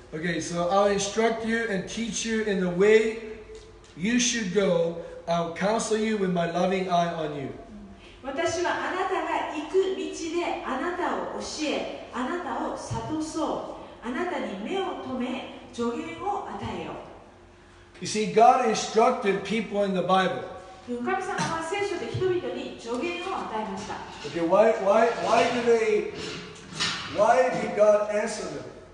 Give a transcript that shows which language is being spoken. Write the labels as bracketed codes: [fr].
[en] Okay, so I'll instruct you and teach you in the way you should go. I'll counsel you with my loving eye on you. [ja] 私はあなたが行く道であなたを教え、あなたを諭そう。あなたに目を留め、助言を与えよう。 [en] You see, God instructed people in the Bible. Okay, why do they, why did God answer them?